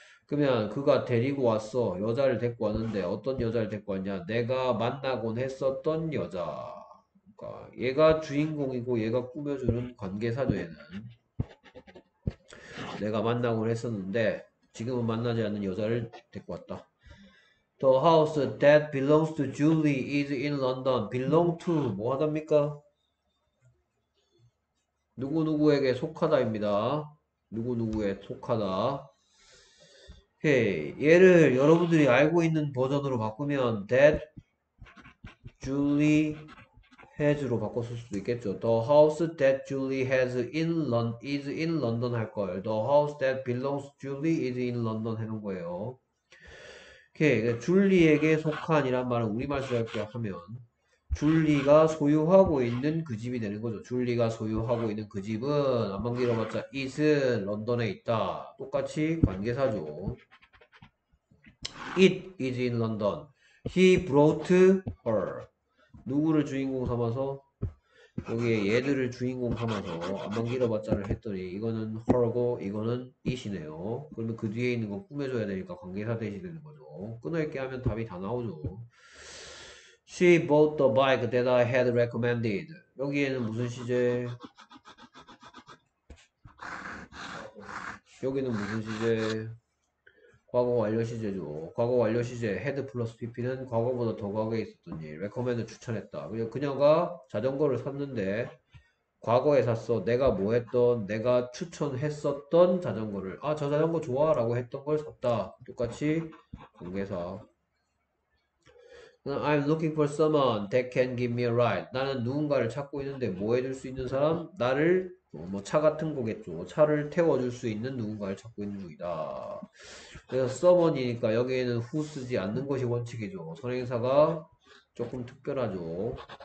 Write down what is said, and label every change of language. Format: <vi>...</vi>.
<ko>그러면 그가 데리고 왔어. 여자를 데리고 왔는데 어떤 여자를 데리고 왔냐? 내가 만나곤 했었던 여자. 그러니까 얘가 주인공이고 얘가 꾸며주는 관계 사조에는 내가 만나곤 했었는데 지금은 만나지 않는 여자를 데리고 왔다.</ko> <en>The house that belongs to Julie is in London.</en> <ko>Belong to 뭐 하답니까? 누구누구에게 속하다입니다. 누구누구에 속하다. 오케이. 얘를 여러분들이 알고 있는 버전으로 바꾸면 that Julie has로 바꿨을 수도 있겠죠.</ko> <en>The house that Julie has is in London</en> <ko>할 걸.</ko> <en>The house that belongs to Julie is in London</en> <ko>해놓은 거예요. 오케이. 줄리에게 속한이란 말은 우리말 수학교 하면 줄리가 소유하고 있는 그 집이 되는 거죠. 줄리가 소유하고 있는 그 집은 한번 길어봤자 it은 런던에 있다. 똑같이 관계사죠.</ko> <en>It is in London. He brought her.</en> <ko>누구를 주인공 삼아서? 여기에 얘들을 주인공 삼아서 한번 길어봤자를 했더니 이거는 her고 이거는 it이네요. 그러면 그 뒤에 있는 거 꾸며줘야 되니까 관계사 대시 되는 거죠. 끊어있게 하면 답이 다 나오죠.</ko> <en>She bought the bike that I had recommended.</en> <ko>여기에는 무슨 시제? 여기는 무슨 시제? 과거 완료 시제죠. 과거 완료 시제 had 플러스 PP는 과거보다 더 과거에 있었던 일. recommend 추천했다. 그녀가 자전거를 샀는데 과거에 샀어. 내가 뭐 했던? 내가 추천했었던 자전거를. 아, 저 자전거 좋아 라고 했던 걸 샀다. 똑같이 관계사.</ko> <en>I'm looking for someone that can give me a ride.</en> <ko>나는 누군가를 찾고 있는데 뭐 해줄 수 있는 사람? 나를 뭐차 같은 거겠죠. 차를 태워줄 수 있는 누군가를 찾고 있는 중이다. 그래서 someone이니까 여기에는 who 쓰지 않는 것이 원칙이죠. 선행사가 조금 특별하죠.</ko>